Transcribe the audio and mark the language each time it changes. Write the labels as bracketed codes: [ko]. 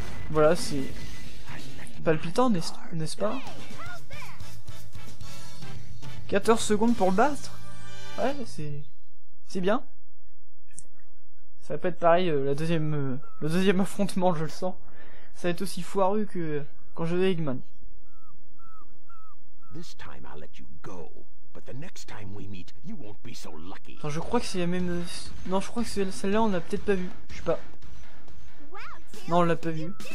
[fr] Voilà, c'est palpitant, n'est-ce pas? 14 secondes pour le battre. Ouais, c'est bien. Ça va pas être pareil le deuxième affrontement, je le sens. Ça va être aussi foireux que quand je vais Eggman. [en] This time I'll let you go, but the next time we meet, you won't be so lucky. [fr] Attends, je crois que c'est la même. Non, je crois que celle-là on l'a peut-être pas vue. Je sais pas. Non, on l'a pas vue.